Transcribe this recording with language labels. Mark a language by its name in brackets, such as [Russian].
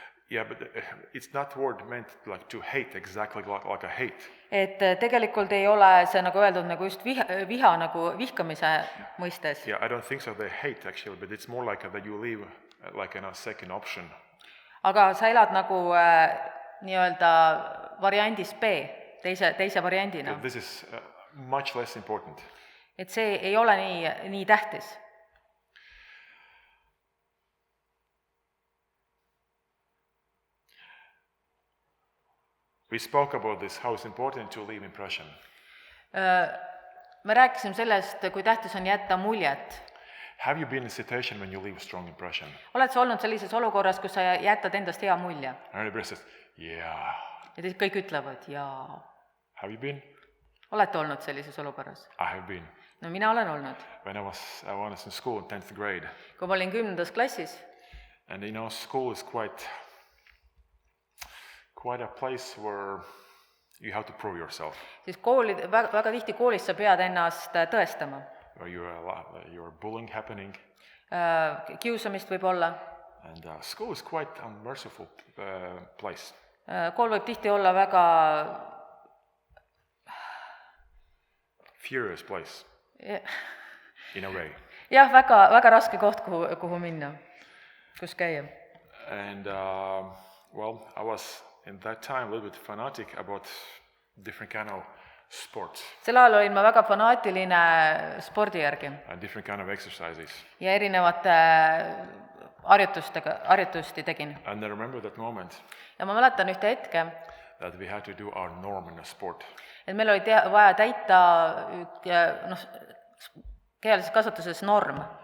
[English] Yeah, but it's not the word meant like to hate exactly like a hate. [Estonian] Et tegelikult ei ole see nagu öeldud nagu just viha nagu vihkamise mõistes. [English] Yeah, I don't think so they hate actually, but it's more like that you leave like in a second option. [Estonian] Aga sa elad nagu nii-öelda variandis B, teise variandina. [English] Yeah, this is much less important. [Estonian] Et see ei ole nii tähtis. [English] We spoke about this, how it's important to leave impression. [Estonian] Me rääkisime sellest, kui tähtis on jätta muljet. [English] Have you been in a situation when you leave a strong impression? [Estonian] Oled sa olnud sellises olukorras, kus sa jätad endast hea mulje? [English] And everybody says, yeah. [Estonian] Ja teid kõik ütlevad, jaa. [English] Have you been? [Estonian] Oled olnud sellises olukorras? [English] I have been. [Estonian] No mina olen olnud. [English] When I was in school in 10th grade. [Estonian] Kui ma olin 10. Klassis. [English] And you know, school is quite a place where you have to prove yourself. [Estonian] Siis koolid väga tihti koolis sa pead ennast tõestama. [English] Your bullying happening. [Estonian] Kiusamist võib olla. [English] And school is quite unmerciful place. [Estonian] Kool võib tihti olla väga [English] furious place. Yeah. In a way. [Estonian] Ja väga raske koht kuhu minna. Kus käia. [English] And well, I was in that time a little bit fanatic about different kind of sports. [Estonian] Sel ajal olin ma väga fanaatiline spordi järgi. [English] And different kind of exercises. [Estonian] Ja erinevate harjutusti tegin. [English] And I remember that moment. [Estonian] Ja ma mäletan ühte hetke. [English] That we had to do our norm in a sport. [Estonian] Et meil oli vaja täita kehalises kasvatuses norm.